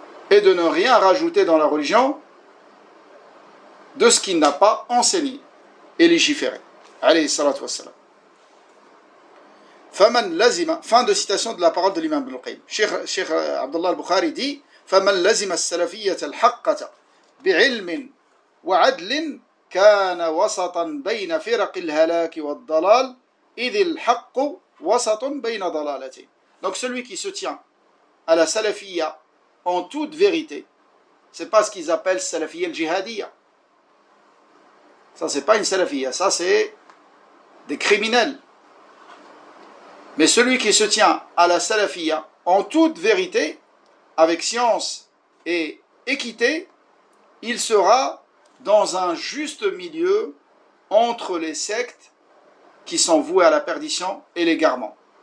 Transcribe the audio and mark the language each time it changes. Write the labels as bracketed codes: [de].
[fr] Et de ne rien rajouter dans la religion de ce qu'il n'a pas enseigné et légiféré. [ar] Alayhi salatu wasalam. فَمَنْ لَزِمَ [fr] Fin de citation de la parole de l'imam Al-Qayyim. Cheikh Abdullah Al-Bukhari dit [ar] فَمَنْ لَزِمَ السَّلَفِيَّةَ الْحَقَّةَ بِعِلْمٍ وَعَدْلٍ كَانَ وَسَطًا بَيْنَ فِرَقِ الْهَلَاكِ وَالضَّلَالِ إِذِ الْحَقُّ وَسَطٌ بَيْنَ ضَلَالَتِهِ. [fr] Donc celui qui se tient à la salafia en toute vérité, c'est pas ce qu'ils appellent salafia al-jihadiya. Ça c'est pas une salafia, ça c'est des criminels. Mais celui qui se tient à la salafia en toute vérité, avec science et équité, il sera dans un juste milieu entre les sectes qui sont vouées à la perdition et l'égarement.